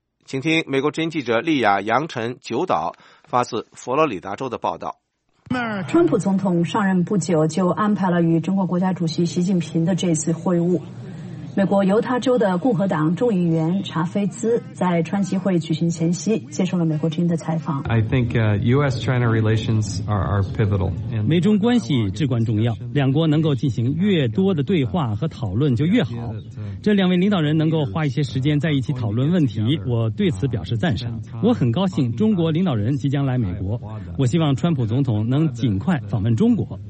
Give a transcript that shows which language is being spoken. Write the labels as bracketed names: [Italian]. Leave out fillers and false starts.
[Chinese] 请听美国之音记者丽亚·杨晨九岛发自佛罗里达州的报道。川普总统上任不久就安排了与中国国家主席习近平的这次会晤。美国犹他州的共和党众议员查菲兹在川集会举行前夕接受了美国之音的采访。 [English] I think US-China relations are pivotal. [Chinese] 美中关系至关重要，两国能够进行越多的对话和讨论就越好。这两位领导人能够花一些时间在一起讨论问题，我对此表示赞赏。我很高兴中国领导人即将来美国，我希望川普总统能尽快访问中国。